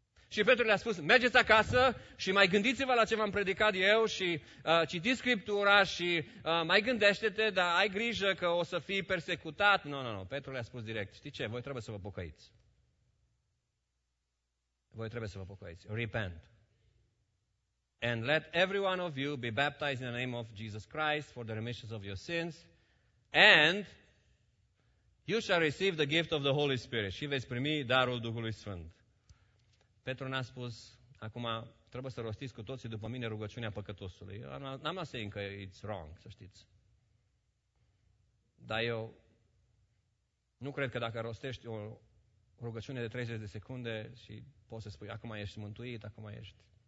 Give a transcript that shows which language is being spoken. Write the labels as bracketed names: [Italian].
[Romanian] Și Petru le-a spus, mergeți acasă și mai gândiți-vă la ce v-am predicat eu și citiți Scriptura și mai gândește-te, dar ai grijă că o să fii persecutat. Nu, Petru le-a spus direct, știi ce, voi trebuie să vă pocăiți. Voi trebuie să vă pocăiți, repent. [English] And let every one of you be baptized in the name of Jesus Christ for the remission of your sins, and you shall receive the gift of the Holy Spirit. [Romanian] Și veți primi darul Duhului Sfânt. Petru n-a spus, acum trebuie să rostiți cu toții după mine rugăciunea păcătosului. Eu n-am a saying că it's wrong, să știți. Dar eu nu cred că dacă rostești o rugăciune de 30 de secunde și poți să spui, acum ești mântuit, acum ești...